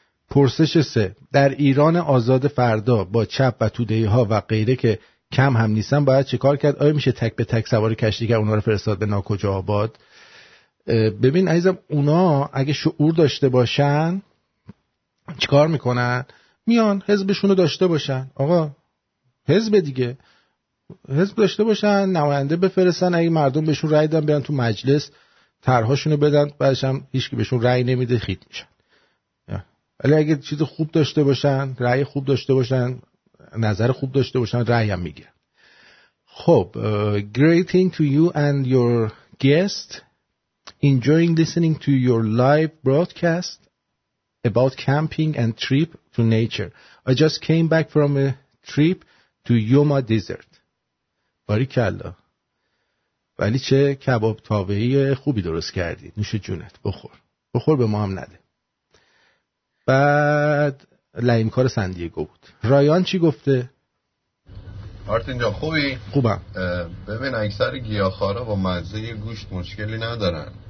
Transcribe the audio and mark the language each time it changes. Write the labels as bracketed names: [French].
[Persian] پرسش سه، در ایران آزاد فردا با چپ و توده‌ها و غیره که کم هم نیستن باید چه کار کرد؟ آیا میشه تک به تک سوار کشتی که اونا رو فرستاد به ناکجا آباد؟ ببین عزیزم، اونا اگه شعور داشته باشن چیکار میکنن؟ میان حزبشون رو داشته باشن، آقا حزب دیگه، حزب داشته باشن، نماینده بفرستن، اگه مردم بهشون رأی دادن بیان تو مجلس طرحاشونو بدن، بعدش هم هیچکی بهشون رأی نمیده خیت میشن. ولی اگه چیز خوب داشته باشن، رأی خوب داشته باشن، نظر خوب داشته باشن، رأی هم میگیرن. [English] خب greeting to you and your guest, enjoying listening to your live broadcast about camping and trip to nature. I just came back from a trip to Yuma Desert. [Persian] باریکلا. ولی چه کباب تابهی خوبی درست کردی. نوش جونت بخور. بخور به ما هم نده. بعد لعیمکار سندیگو بود. رایان چی گفته؟ آرتین جا خوبی؟ خوبم. ببین اکثر گیاخارا با مزه گوشت مشکلی ندارن.